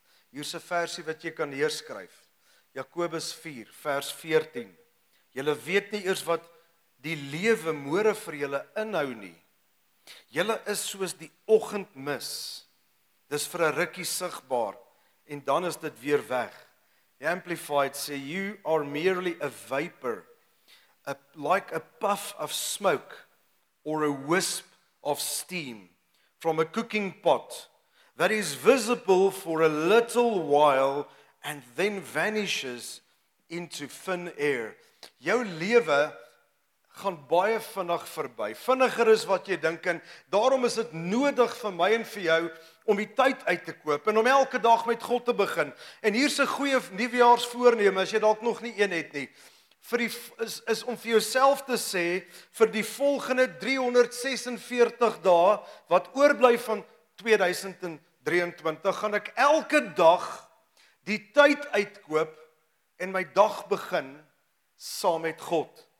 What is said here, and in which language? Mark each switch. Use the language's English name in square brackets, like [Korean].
[Afrikaans] Hier's 'n versie wat jy kan neerskryf. Jakobus 4 vers 14. Julle weet nie eers wat die lewe môre vir julle inhou nie. Julle is soos die oggendmis. Dis vir 'n rukkie sigbaar. En dan is dit weer weg. [English] The Amplified sê, you are merely a vapor, like a puff of smoke or a wisp of steam from a cooking pot that is visible for a little while and then vanishes into thin air. [Afrikaans] Jou lewe gaan baie vinnig verby. Vinniger is wat jy dink en daarom is dit nodig vir my en vir jou om die tyd uit te koop en om elke dag met God te begin. En hier's 'n goeie nuwejaarsvoorneme as jy dalk nog nie een het nie. Is om vir jouself te sê vir die volgende 346 dae wat oorbly van 2023 gaan ek elke dag die tyd uitkoop en my dag begin saam met God.